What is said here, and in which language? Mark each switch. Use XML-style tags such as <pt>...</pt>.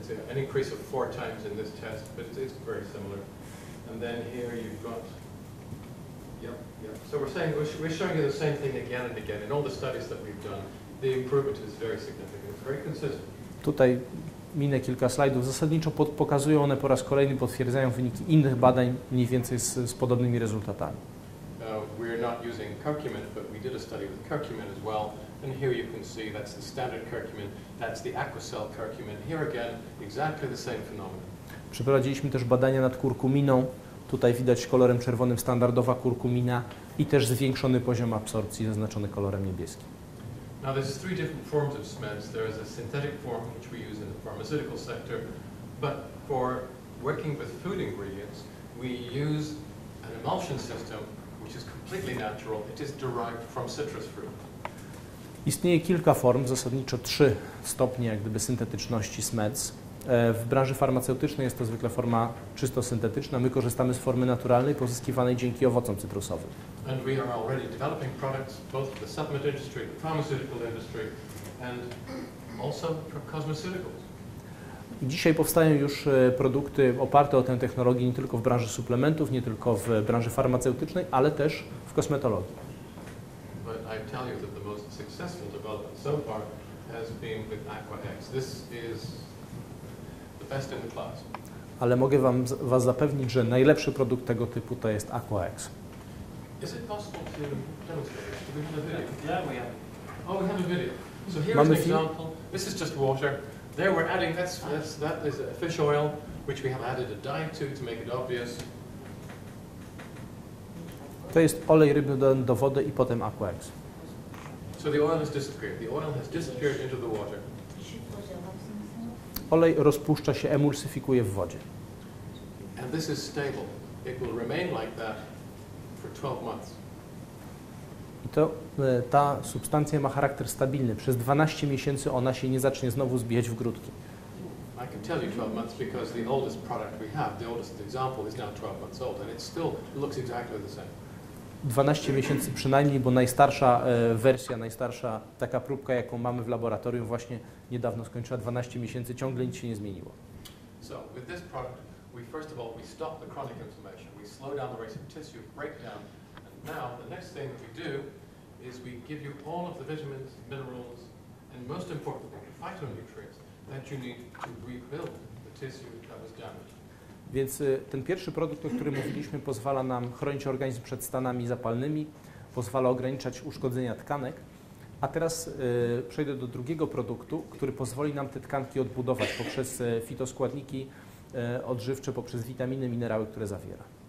<en>An increase of 4 times in this test, but it's very similar. And then here you've got, So we're showing you the same thing again and again in all the studies that we've done. The improvement is very significant. It's very consistent.</en> <pl>Tutaj minę kilka slajdów. Zasadniczo pokazują one po raz kolejny, potwierdzają wyniki innych badań mniej więcej z podobnymi rezultatami.</pl> <en>We're not using curcumin, but we did a study with curcumin as well. And here you can see that's the standard curcumin, that's the Aquacel curcumin. Here again, exactly the same phenomenon.</en> <pl>Przeprowadziliśmy też badania nad kurkuminą. Tutaj widać kolorem czerwonym standardowa kurkumina i też zwiększony poziom absorpcji zaznaczony kolorem niebieskim.</pl> <en>Now there's three different forms of SMEDs. There is a synthetic form which we use in the pharmaceutical sector, but for working with food ingredients, we use an emulsion system which is completely natural. It is derived from citrus fruit.</en> <pl>Istnieje kilka form, zasadniczo trzy stopnie jak gdyby syntetyczności SMEDS. W branży farmaceutycznej jest to zwykle forma czysto syntetyczna. My korzystamy z formy naturalnej pozyskiwanej dzięki owocom cytrusowym.</pl> <en>And we are already developing products both for the supplement industry, the pharmaceutical industry and also for cosmeceuticals.</en> <pl>Dzisiaj powstają już produkty oparte o tę technologię nie tylko w branży suplementów, nie tylko w branży farmaceutycznej, ale też w kosmetologii.</pl> <en>But I tell you that the most successful development so far has been with AquaX. This is the best in the class.</en> <pl>Ale mogę was zapewnić, że najlepszy produkt tego typu to jest AquaX.</pl> <en>Is it possible to demonstrate? Do we have a video? Yeah, we have. Oh, we have a video. So here's an example. This is just water. There we're adding, that is a fish oil, which we have added a dye to make it obvious.</en> <pl>To jest olej ryby do wody i potem AquaX.</pl> <en>So the oil has disappeared. The oil has disappeared into the water.</en> <pl>Olej rozpuszcza się, emulsyfikuje w wodzie.</pl> <en>And this is stable. It will remain like that for 12 months.</en> <pl>I to ta substancja ma charakter stabilny. Przez 12 miesięcy ona się nie zacznie znowu zbijać w grudki.</pl> <en>I can tell you 12 months because the oldest product we have, the oldest example is now 12 months old and it still looks exactly the same.</en> <pl>12 miesięcy przynajmniej, bo najstarsza wersja, najstarsza taka próbka, jaką mamy w laboratorium, właśnie niedawno skończyła 12 miesięcy, ciągle nic się nie zmieniło.</pl> <en>So with this product, we first of all we stop the chronic inflammation, we slow down the rate of tissue breakdown, and now the next thing we do is we give you all of the vitamins, minerals, and most importantly, the phytonutrients that you need to rebuild the tissue that was damaged.</en> <pl>Więc ten pierwszy produkt, o którym mówiliśmy, pozwala nam chronić organizm przed stanami zapalnymi, pozwala ograniczać uszkodzenia tkanek. A teraz przejdę do drugiego produktu, który pozwoli nam te tkanki odbudować poprzez fitoskładniki odżywcze, poprzez witaminy, minerały, które zawiera.</pl>